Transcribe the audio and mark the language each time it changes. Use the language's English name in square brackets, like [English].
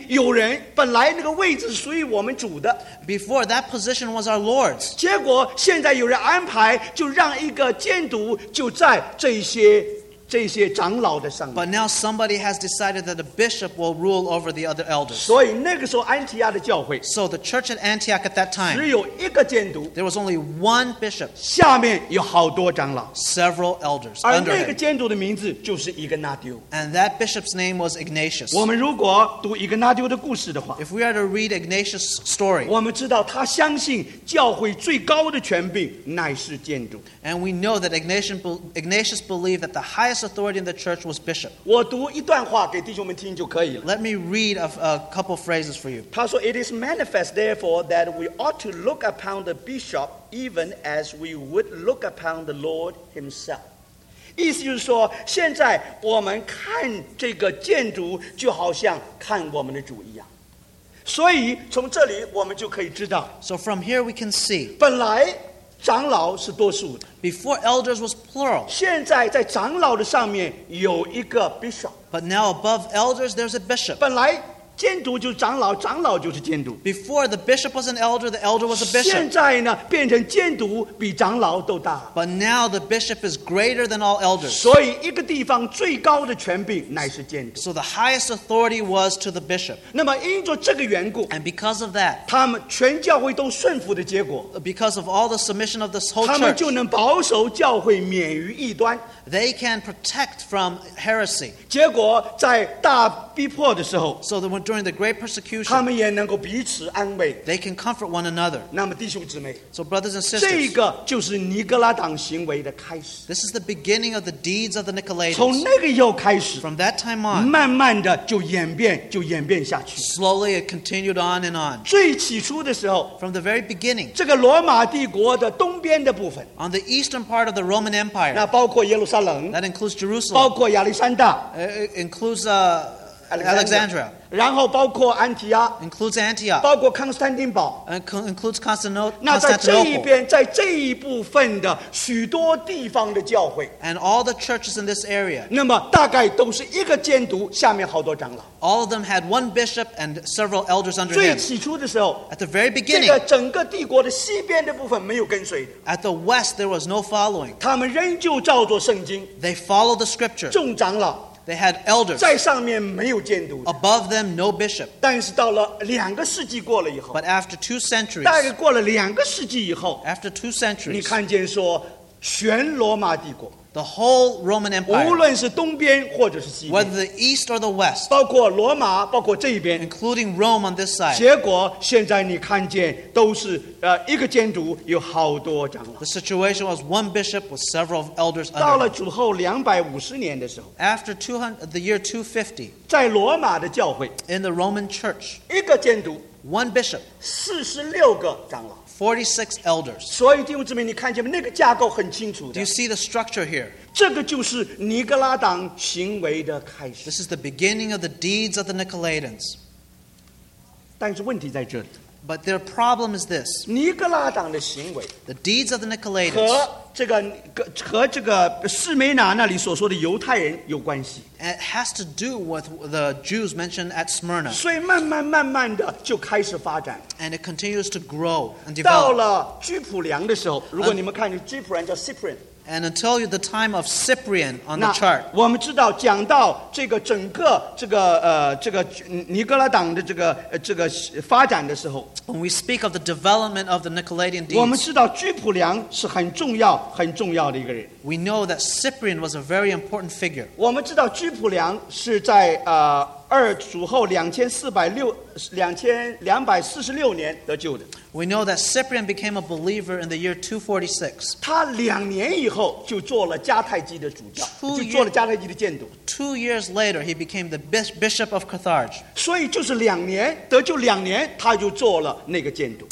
[Chinese] 有人本来那个位置是属于我们主的 [English] Before that position was our Lord's [Chinese] 结果现在有人安排就让一个监督就在这些长老的上面 [English] But now somebody has decided that a bishop will rule over the other elders [Chinese] 所以那个时候安提亚的教会 [English] So the church at Antioch at that time [Chinese] 只有一个监督 [English] There was only one bishop [Chinese] 下面有好多长老 [English] Several elders [Chinese] 而那个监督的名字就是伊格纳丢 [English] And that bishop's name was Ignatius [Chinese] 我们如果读伊格纳丢的故事的话 [English] If we are to read Ignatius' story [Chinese] 我们知道他相信教会最高的权柄乃是监督 [English] And we know that Ignatius believed that the highestauthority in the church was bishop. [Chinese] 我读一段话给弟兄们听就可以了。 [English] Let me read a couple phrases for you. [Chinese] 他说 [English] it is manifest therefore that we ought to look upon the bishop even as we would look upon the Lord himself. [Chinese] 意思就是说现在我们看这个建筑就好像看我们的主一样。所以从这里我们就可以知道。 [English] So from here we can see. [Chinese] 本来长老是多数的。 [English] Before elders was plural. [Chinese] 现在在长老的上面有一个 bishop. [English] But now above elders there's a bishop. [Chinese] 本来监督就是长老，长老就是监督。 [English] Before the bishop was an elder, the elder was a bishop. [Chinese] 现在呢，变成监督比长老都大。 [English] But now the bishop is greater than all elders. [Chinese] 所以一个地方最高的权柄乃是监督。 [English] So the highest authority was to the bishop. [Chinese] 那么因着这个缘故 [English] ，and because of that， [Chinese] 他们全教会都顺服的结果 [English] ，because of all the submission of this whole church， [Chinese] 他们就能保守教会免于异端。 [English] They can protect from heresy. [Chinese] 结果在大逼迫的时候 [English] ，so when during the great persecution， [Chinese] 他们也能够彼此安慰。 [English] They can comfort one another. [Chinese] 那么弟兄姊妹 [English] ，so brothers and sisters， [Chinese] 这个就是尼格拉党行为的开始。 [English] This is the beginning of the deeds of the Nicolaitans. [Chinese] 从那个又开始 [English] ，from that time on， [Chinese] 慢慢的就演变下去。 [English] Slowly it continued on and on. [Chinese] 最起初的时候 [English] ，from the very beginning， [Chinese] 这个罗马帝国的东边的部分 [English] ，on the eastern part of the Roman Empire， [Chinese] 那包括耶路撒。 [English] That includes Jerusalem. [Chinese] 包括亚历山大 [English] includes Alexandria. [Chinese] 然后包括安提阿 [English] includes Antioch. [Chinese] 包括康斯坦丁堡 [English] includes Constantinople. [Chinese] 那在这一边，在这一部分的许多地方的教会 [English] and all the churches in this area. [Chinese] 那么大概都是一个监督，下面好多长老 [English] All of them had one bishop and several elders under him. [Chinese] 最起初的时候 [English] at the very beginning, [Chinese] 这个整个帝国的西边的部分没有跟随的 [English] at the west there was no following. [Chinese] 他们仍旧照着圣经 [English] they followed the scripture. [Chinese] 众长老 [English] They had elders. [Chinese] 在上面没有监督。 [English] Above them, no bishop. [Chinese] 但是到了两个世纪过了以后。 [English] But after two centuries. [Chinese] 大概过了两个世纪以后。 [English] After two centuries. [Chinese] 你看见说全罗马帝国。 [English] The whole Roman Empire. [Chinese] 无论是东边或者是西边。 [English] Whether the east or the west. [Chinese] 包括罗马，包括这一边。 [English] Including Rome on this side. [Chinese] 结果现在你看见都是一个监督有好多长老。 [English] The situation was one bishop with several elders under him. [Chinese] 到了主后250年的时候。 [English] After 200, the year 250. [Chinese] 在罗马的教会。 [English] In the Roman church. [Chinese] 一个监督。 [English] One bishop. [Chinese] 46个长老。 [English] 46 elders. [Chinese] 所以弟兄姊妹，你看见吗？那个架构很清楚的。 [English] Do you see the structure here? [Chinese] 这个就是尼格拉党行为的开始。 [English] This is the beginning of the deeds of the Nicolaitans. [Chinese] 但是问题在这里。 [English] But their problem is this. [Chinese] 尼格拉党的行为。 [English] The deeds of the Nicolaitans. [Chinese] 和这个士梅拿那里所说的犹太人有关系。 [English] It has to do with the Jews mentioned at Smyrna. [Chinese] 所以慢慢慢慢的就开始发展。 [English] And it continues to grow and develop. [Chinese] 到了居普良的时候，如果你们看见居普良叫 Cyprian。 [English] And until the time of Cyprian on the chart. [Chinese] 我们知道讲到这个整个这个尼格拉党的这个发展的时候。 [English] When we speak of the development of the Nicolaitan deeds. [Chinese] 我们知道居普良是很重要很重要的一个人。 [English] We know that Cyprian was a very important figure. [Chinese] 我们知道居普良是在主后2246年得救的。 [English] We know that Cyprian became a believer in the year 246. [Chinese] 他两年以后就做了迦太基的主教，就做了迦太基的监督。 [English] Two years later, he became the bishop of Carthage. [Chinese] 所以就是两年，得救两年，他就做了那个监督。